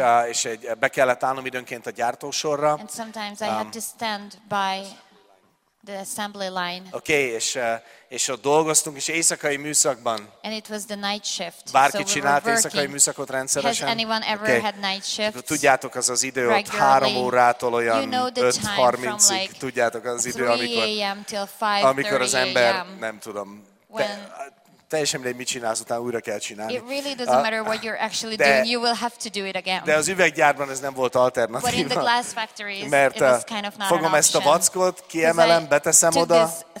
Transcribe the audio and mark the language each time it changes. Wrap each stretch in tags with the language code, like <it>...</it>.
<hu>és egy be kellett állnom időnként a gyártósorra.</hu> <en>And sometimes I had to stand by the assembly line.</en> <hu>Okay, és ott dolgoztunk, és éjszakai műszakban.</hu> <en>And it was the night shift.</en> <hu>Bárki csinált éjszakai műszakot rendszeresen?</hu> <en>Has anyone ever okay. had night shift?</en> <hu>Tudjátok, az az idő ott 3 órától olyan 5:30-ig. Like tudjátok, az idő, amikor az ember, nem tudom, teljesen mindegy, mit csinálsz, utána újra kell csinálni.</hu> <en>It really doesn't matter what you're actually doing, you will have to do it again.</en> <hu>De az üveggyárban ez nem volt alternatíva.</hu> <en>But in the glass factories,</en> <hu>mert</hu> <en>it was kind of not</en> <hu>fogom</hu> <en>an option.</en> <hu>Ezt a vackot, kiemelem, beteszem oda.</hu>